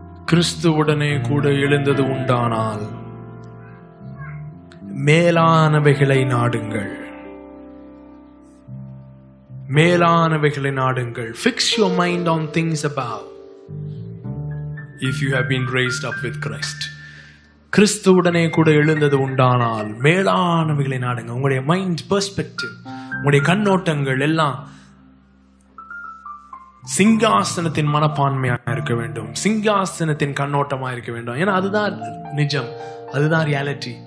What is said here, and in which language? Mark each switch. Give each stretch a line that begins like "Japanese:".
Tamil: கிறிஸ்துவுடனே கூட எழுந்தது உண்டானால் மேலானவைகளை நாடுங்கள். மேலானவைகளை நாடுங்கள்.
English: Fix your mind on things above if you have been raised up with Christ.
Tamil: கிறிஸ்துவுடனே கூட எழுந்தது உண்டானால் மேலானவைகளை நாடுங்கள். உங்களுடைய மைண்ட் பெர்ஸ்பெக்டிவ், உங்களுடைய கண்ணோட்டங்கள் எல்லாம் சிங்காசனத்தின் மனப்பான்மையாக இருக்க வேண்டும். சிங்காசனத்தின் கண்ணோட்டமாக இருக்க வேண்டும். ஏன்னா அதுதான் நிஜம், அதுதான் ரியாலிட்டி.